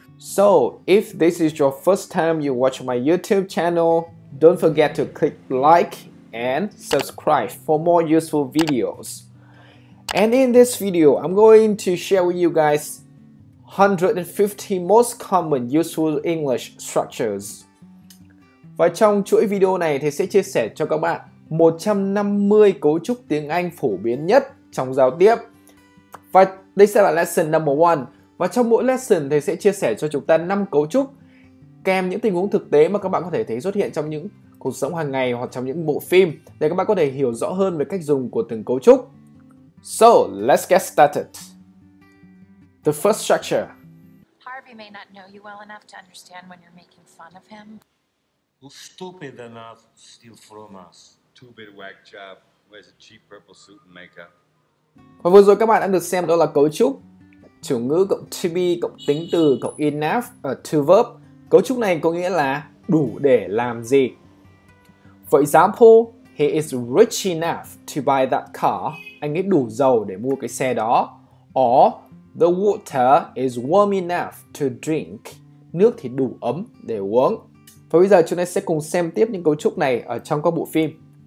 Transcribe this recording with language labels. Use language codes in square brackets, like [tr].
[en] So, if this is your first time you watch my YouTube channel, don't forget to click like and subscribe for more useful videos. And in this video, I'm going to share with you guys 150 most common useful English structures. [vi] Và trong chuỗi video này thì sẽ chia sẻ cho các bạn 150 cấu trúc tiếng Anh phổ biến nhất trong giao tiếp. Và đây sẽ là [en] lesson number 1. [vi] Và trong mỗi lesson thì sẽ chia sẻ cho chúng ta 5 cấu trúc kèm những tình huống thực tế mà các bạn có thể thấy xuất hiện trong những cuộc sống hàng ngày hoặc trong những bộ phim để các bạn có thể hiểu rõ hơn về cách dùng của từng cấu trúc. [en] So, let's get started. The first structure. Harvey may not know you well enough to understand when you're making fun of him. Who's stupid enough to steal from us? Stupid whack job. Wears a cheap purple suit and makeup. [vi] Và vừa rồi các bạn đã được xem đó là cấu trúc chủ ngữ cộng to be cộng tính từ cộng enough ở to verb. Cấu trúc này có nghĩa là đủ để làm gì. [en] For example, he is rich enough to buy that car. [vi] Anh ấy đủ giàu để mua cái xe đó. [en] Or, the water is warm enough to drink. [vi] Nước thì đủ ấm để uống. Và bây giờ chúng ta sẽ cùng xem tiếp những cấu trúc này ở trong các bộ phim.